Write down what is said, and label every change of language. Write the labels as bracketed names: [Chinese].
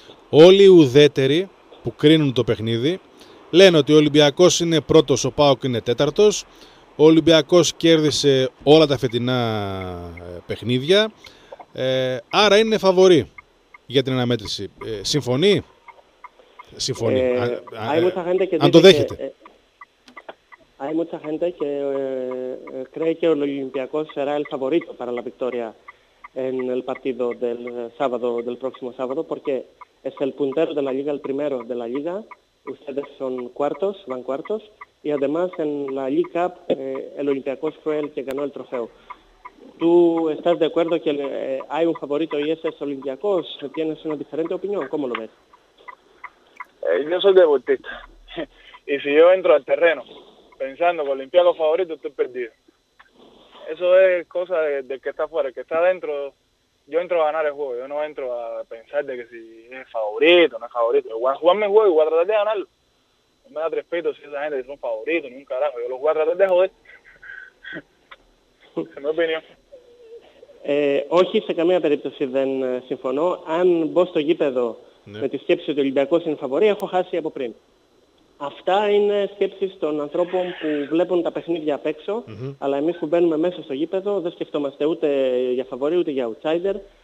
[Greek] Όλοι οι ουδέτεροι που κρίνουν το παιχνίδι λένε ότι ο Ολυμπιακός είναι πρώτος, ο ΠΑΟΚ είναι τέταρτος. Ο Ολυμπιακός κέρδισε όλα τα φετινά παιχνίδια. Άρα είναι φαβοροί για την αναμέτρηση. Συμφωνεί? [Spanish] Hay mucha gente que dice que, hay mucha gente que cree que el Olympiacos será el favorito para la victoria en el partido del sábado, del próximo sábado, porque es el puntero de la liga, el primero de la liga. Ustedes son cuartos, van cuartos, y además en la League Cup el Olympiacos fue el que ganó el trofeo. ¿Tú estás de acuerdo que hay un favorito y ese es Olympiacos? ¿Tienes una diferente opinión? ¿Cómo lo ves? Yo soy deportista. Y si yo entro al terreno pensando que Olympiacos favorito, estoy perdido. Eso es cosa del que está fuera. El que está dentro, yo entro a ganar el juego. Yo no entro a pensar de que si es favorito, no es favorito. Yo voy a jugar mi juego y voy a tratar de ganarlo. No me da tres pitos si esa gente es un favorito, ni un carajo. Yo lo voy a tratar de joder. Es mi opinión. [Greek] Όχι, σε καμία περίπτωση δεν συμφωνώ. Αν μπω στο γήπεδο με τη σκέψη ότι ο Ολυμπιακός είναι φαβορή, έχω χάσει από πριν. Αυτά είναι σκέψεις των ανθρώπων που βλέπουν τα παιχνίδια απ' έξω, αλλά εμείς που μπαίνουμε μέσα στο γήπεδο δεν σκεφτόμαστε ούτε για φαβορή ούτε για outsider.